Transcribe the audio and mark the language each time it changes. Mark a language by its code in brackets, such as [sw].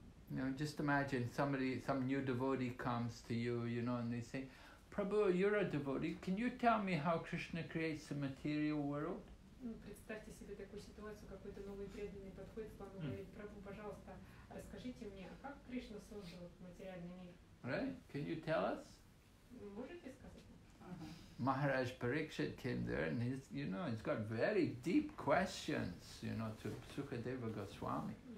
[en] Now just imagine somebody, some new devotee comes to you, you know, and they say, Prabhu, you're a devotee. Can you tell me how Krishna creates the material world? [ru] Представьте себе такую ситуацию, какой-то новый преданный подходит к вам и говорит, Прабху, пожалуйста, расскажите мне, как Кришна создал материальный мир? [en] Right? Can you tell us? [ru] Можете сказать? [en] Maharaj Parikshit came there and he's, you know, he's got very deep questions, you know, to Sukadeva Goswami.